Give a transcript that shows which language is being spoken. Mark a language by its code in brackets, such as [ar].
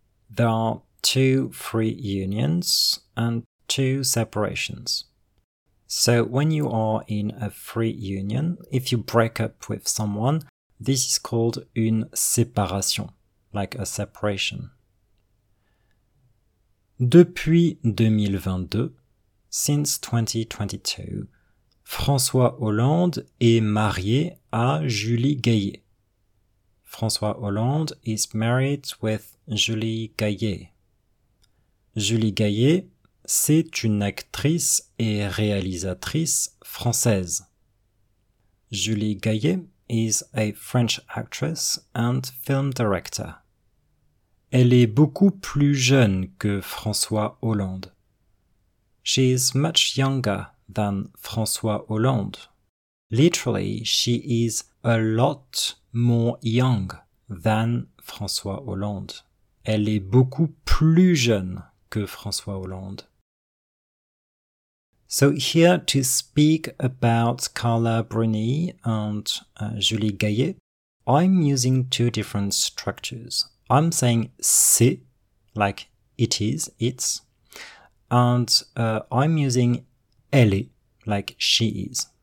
[en] There are two free unions and two separations. So when you are in a free union, if you break up with someone, this is called une séparation, like a separation. [fr] Depuis 2022, [en] since 2022, [fr] François Hollande est marié à Julie Gayet. [en] François Hollande is married with Julie Gayet. [fr] Julie Gayet, c'est une actrice et réalisatrice française. [en] Julie Gayet is a French actress and film director. [fr] Elle est beaucoup plus jeune que François Hollande. [en] She is much younger than François Hollande. Literally, she is a lot more young than François Hollande. [fr] Elle est beaucoup plus jeune que François Hollande. [en] So here to speak about Carla Bruni and Julie Gayet, I'm using two different structures. I'm saying c'est, like it is, it's, and I'm using elle est, like she is.